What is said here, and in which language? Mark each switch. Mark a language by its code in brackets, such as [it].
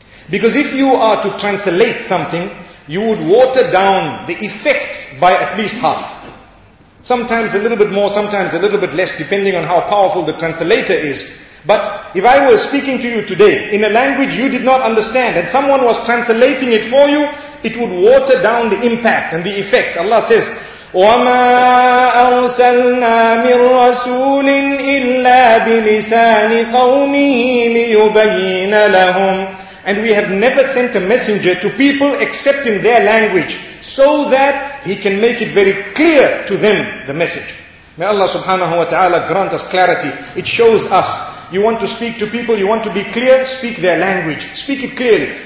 [en] Because if you are to translate something, you would water down the effect by at least half. Sometimes a little bit more, sometimes a little bit less, depending on how powerful the translator is. But if I were speaking to you today in a language you did not understand and someone was translating it for you, it would water down the impact and the effect. Allah says, [ar] وَمَا أَرْسَلْنَا مِنْ رَسُولٍ إِلَّا بِلِسَانِ قَوْمِهِ لِيُبَيِّنَ لَهُمْ. [en] And we have never sent a messenger to people except in their language, so that he can make it very clear to them, the message. May Allah subhanahu wa ta'ala grant us clarity. It shows us, you want to speak to people, you want to be clear, speak their language. Speak it clearly.